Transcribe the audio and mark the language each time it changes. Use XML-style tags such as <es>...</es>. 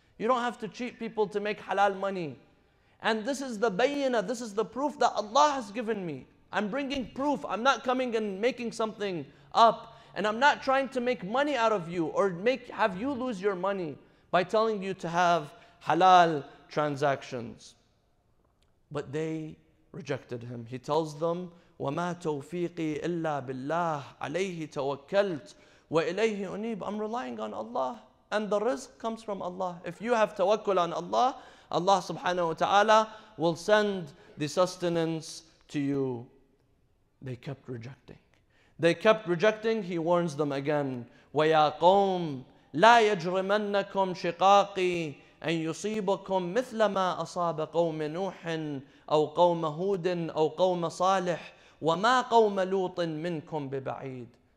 <en>You don't have to cheat people to make halal money. And this is the bayina, this is the proof that Allah has given me. I'm bringing proof. I'm not coming and making something up. And I'm not trying to make money out of you or have you lose your money by telling you to have halal transactions. But they rejected him. He tells them,</en> <ar>وَمَا تَوْفِيقِي إِلَّا بِاللَّهِ عَلَيْهِ تَوَكَّلْتُ وَإِلَيْهِ أُنِيبُ.</ar> <en>I'm relying on Allah, and the rizq comes from Allah. If you have tawakkul on Allah, Allah subhanahu wa ta'ala will send the sustenance to you. They kept rejecting. They kept rejecting. He warns them again.</en> <ar>وَيَا قَوْمْ لَا يَجْرِمَنَّكُمْ شِقَاقِي أَنْ يُصِيبَكُمْ مِثْلَ مَا أَصَابَ قَوْمِ نُوحٍ أَوْ قَوْمَ هُودٍ أَوْ قَوْمَ صَالِحٍ وَمَا قَوْمَ لُوطٍ مِنْكُمْ بِبَعِيدٍ.</ar>